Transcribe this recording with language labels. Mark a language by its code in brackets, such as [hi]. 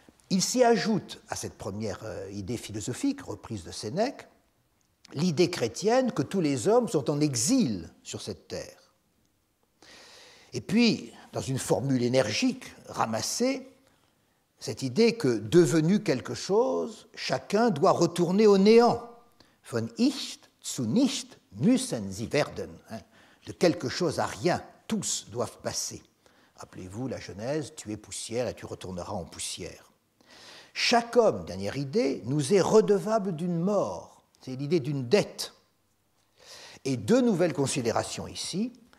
[fr] Il s'y ajoute à cette première idée philosophique reprise de Sénèque, l'idée chrétienne que tous les hommes sont en exil sur cette terre. Et puis, dans une formule énergique, ramassée, cette idée que, devenu quelque chose, chacun doit retourner au néant. [de] Von Nicht zu Nicht müssen sie werden. [fr] De quelque chose à rien, tous doivent passer. Rappelez-vous la Genèse, tu es poussière et tu retourneras en poussière. Chaque homme, dernière idée, nous est redevable d'une mort. C'est l'idée d'une dette. Et deux nouvelles considérations ici.